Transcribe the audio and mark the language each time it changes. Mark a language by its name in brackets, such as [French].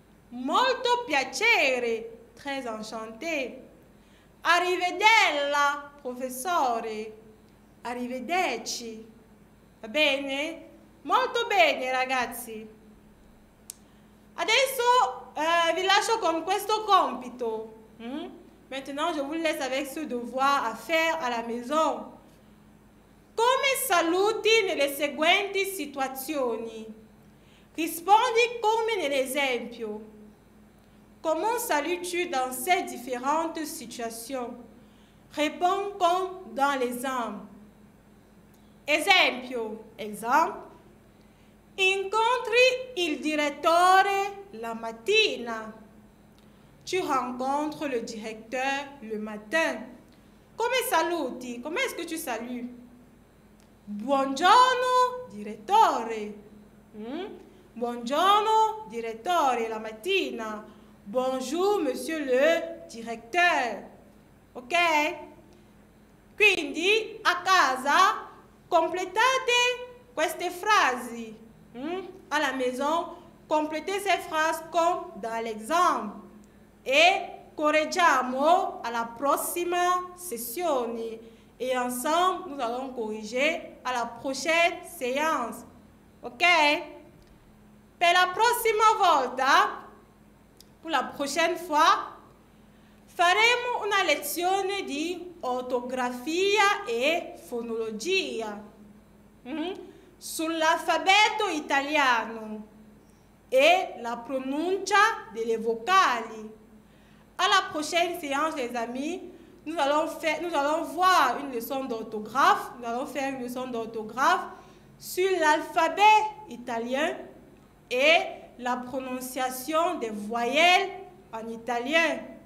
[Italian] Molto piacere, [French] très enchanté. [Italian] Arrivederla, professore. Arrivederci. Va bene? Molto bene, ragazzi. Adesso vi lascio con questo compito. [French] Maintenant, je vous laisse avec ce devoir à faire à la maison. [Italian] Come saluti nelle seguenti situazioni? Rispondi come nell'esempio. [French] Comment salues-tu dans ces différentes situations? Réponds comme dans l'exemple. Esempio. Exemple. [Italian] Incontri il direttore la mattina. [French] Tu rencontres le directeur le matin. [Italian] Come saluti? [French] Comment est-ce que tu salues? [Italian] Buongiorno, direttore. Buongiorno, direttore, la mattina. [French] Bonjour, monsieur le directeur. Ok? [Italian] Quindi, a casa, completate queste frasi. [French] À la maison, complétez ces phrases comme dans l'exemple. [Italian] Et correggiamo à la prossima sessione. [French] Et ensemble, nous allons corriger à la prochaine séance. Ok? [Italian] Per la prossima volta, [French] pour la prochaine fois, [Italian] faremo una lezione di ortografia e fonologia sull'alfabeto italiano e la pronuncia delle vocali. [French] À la prochaine séance, les amis, nous allons voir une leçon d'orthographe, nous allons faire une leçon d'orthographe sur l'alphabet italien et la prononciation des voyelles en italien.